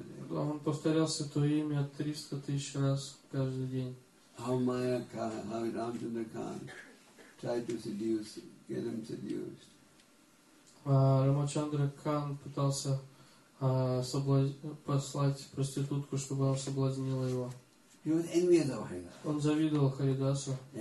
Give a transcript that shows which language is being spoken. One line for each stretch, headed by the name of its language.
Russian: Он повторял святое имя 300 тысяч раз каждый день.
English: How Maya Khan, how Ramchandra Khan tried to seduce, get him seduced.
Russian: Рамачандра Кан пытался послать проститутку, чтобы она соблазнила его. Он завидовал Харидасу.